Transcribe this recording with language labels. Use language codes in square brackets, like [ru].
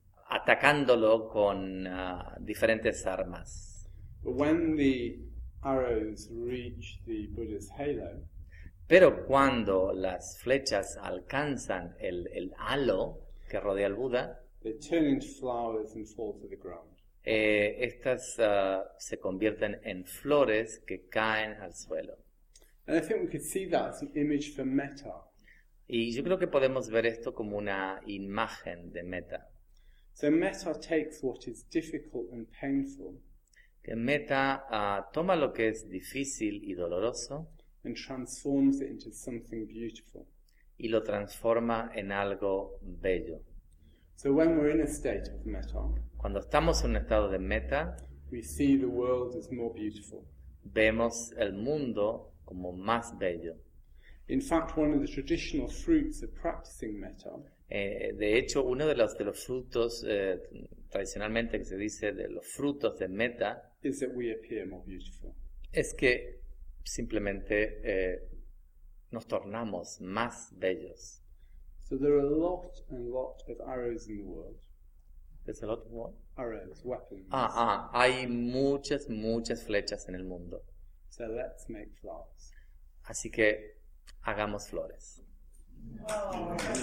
[es] atacándolo con diferentes armas. [en] But when the arrows reach the Buddha's halo, [es] pero cuando las flechas alcanzan el halo que rodea al Buda, [en] they turn into flowers and fall to the ground. [es] Estas se convierten en flores que caen al suelo. [en] And I think we could see that as an image for metta. [es] Y yo creo que podemos ver esto como una imagen de metta. [en] So metta takes what is difficult and painful. [es] Que metta toma lo que es difícil y doloroso. [en] And transforms it into something beautiful. [es] Y lo transforma en algo bello. [en] So when we're in a state of metta, [es] cuando estamos en un estado de metta, [en] we see the world as more beautiful. [es] Vemos el mundo como más bello. [en] In fact, one of the traditional fruits of practicing metta. [es] De hecho, uno de los frutos tradicionalmente que se dice de los frutos de metta [en] is that we appear more beautiful. [es] Es que simplemente nos tornamos más bellos. [en] So there are a lot and lot of arrows in the world. There's a lot of what? Arrows, weapons. [es] Hay muchas flechas en el mundo. [en] So let's make flowers. [es] Así que hagamos flores. Oh.